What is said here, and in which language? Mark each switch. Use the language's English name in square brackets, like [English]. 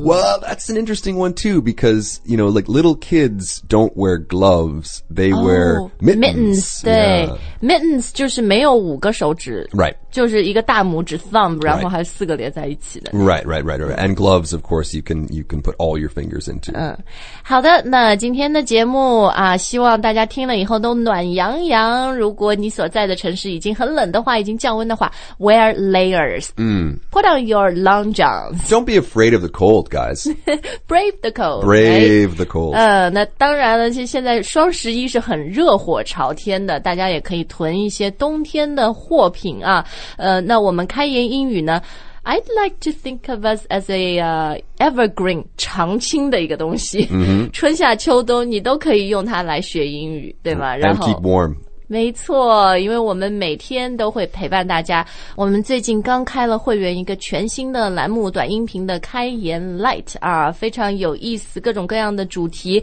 [English] Well, that's an interesting one too, because, you know, like little kids don't wear gloves, they wear mittens. [Chinese] Mittens, 对、yeah. Mittens 就是没有五个手指。 [English] Right. [Chinese] 就是一个大拇指 thumb, 然后还有四个连在一起的。 [English] Right. And gloves, of course, you can put all your fingers into. [Chinese] 嗯，好的，那今天的节目啊，希望大家听了以后都暖洋洋。如果你所在的城市已经很冷的话，已经降温的话 ， [English] wear layers. 嗯，put on your long johns. Don't be afraid of the cold, guys. Brave the cold. Brave the cold. [Chinese] 那当然了，现在双十一是很热火朝天的，大家也可以囤一些冬天的货品啊。那我们开言英语呢？ [English] I'd like to think of us as a evergreen [Chinese] 常青的一个东西、 mm-hmm. 春夏秋冬你都可以用它来学英语对吗、 [English] and keep warm [Chinese] 没错，因为我们每天都会陪伴大家。我们最近刚开了会员一个全新的栏目，短音频的开言 Light 啊，非常有意思，各种各样的主题。